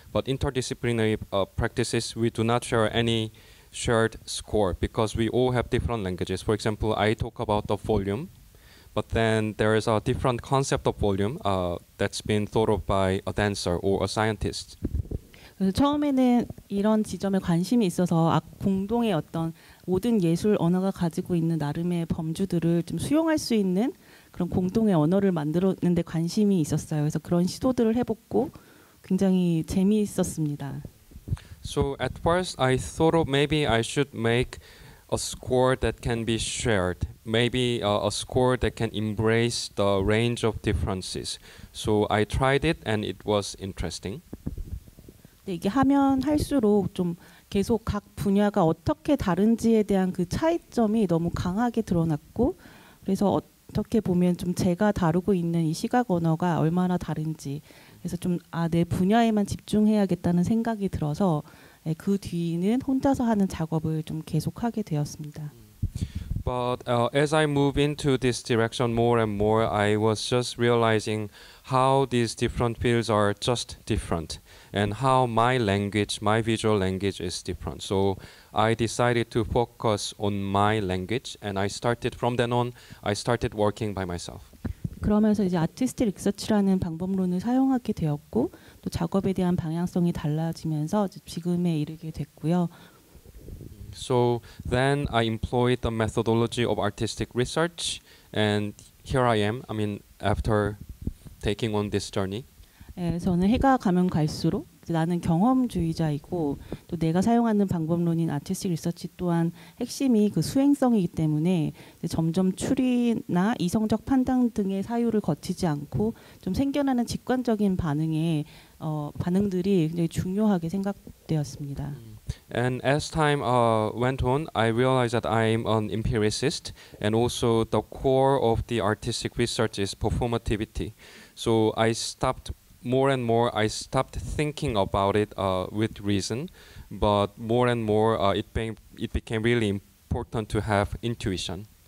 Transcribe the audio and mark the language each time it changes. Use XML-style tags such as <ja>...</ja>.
<en>But interdisciplinary practices, we do not share any shared score because we all have different languages. For example, I talk about the volume. But then there is a different concept of volume that's been thought of by a dancer or a scientist.</en> <ko>처음에는 이런 지점에 관심이 있어서 공동의 어떤 모든 예술 언어가 가지고 있는 나름의 범주들을 좀 수용할 수 있는 그런 공동의 언어를 만들었는데 관심이 있었어요. 그래서 그런 시도들을 해봤고 굉장히 재미있었습니다.</ko> <en>So at first I thought of maybe I should make a score that can be shared. Maybe a score that can embrace the range of differences. So I tried it and it was interesting.</en> <ko>네, 이게 하면 할수록 좀 계속 각 분야가 어떻게 다른지에 대한 그 차이점이 너무 강하게 드러났고 그래서 어떻게 보면 좀 제가 다루고 있는 이 시각 언어가 얼마나 다른지 그래서 좀 아, 내 분야에만 집중해야겠다는 생각이 들어서 네, 그 뒤는 혼자서 하는 작업을 좀 계속하게 되었습니다.</ko> <en>But as I move into this direction more and more, I was just realizing how these different fields are just different and how my language, my visual language is different. So I decided to focus on my language and I started from then on, I started working by myself.</en> <ko>그러면서 이제 아티스트 리서치라는 방법론을 사용하게 되었고 또 작업에 대한 방향성이 달라지면서 지금에 이르게 됐고요.</ko> <en>So then I employed the methodology of artistic research and here I am. I mean after taking on this journey.</en> <ko>예, 저는 해가 가면 갈수록 나는 경험주의자이고 또 내가 사용하는 방법론인 아티스틱 리서치 또한 핵심이 그 수행성이기 때문에 이제 점점 추리나 이성적 판단 등의 사유를 거치지 않고 좀 생겨나는 직관적인 반응에 반응들이 굉장히 중요하게 생각되었습니다.</ko> <en>And as time went on, I realized that I'm an empiricist and also the core of the artistic research is performativity. So I stopped more and more, I stopped thinking about it with reason, but more and more it became really important to have intuition.</en>